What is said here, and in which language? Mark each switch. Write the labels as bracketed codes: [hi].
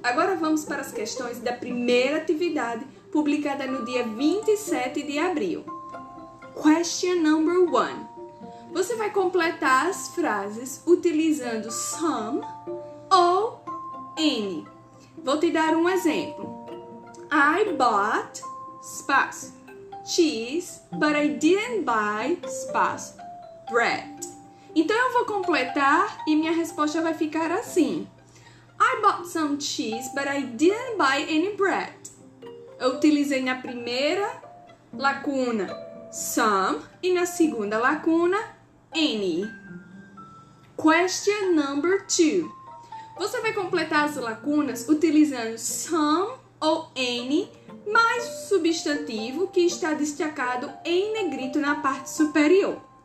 [pt] Agora vamos para as questões da primeira atividade, publicada no dia 27 de abril. [en] Question number one. [pt] Você vai completar as frases utilizando some ou any. Vou te dar um exemplo. [en] I bought espaço cheese, but I didn't buy espaço bread. [pt] Então, eu vou completar e minha resposta vai ficar assim. [en] I bought some cheese, but I didn't buy any bread. [pt] Eu utilizei na primeira lacuna some e na segunda lacuna any. [en] Question number two. [pt] Você vai completar as lacunas utilizando some ou any mais o substantivo que está destacado em negrito na parte superior.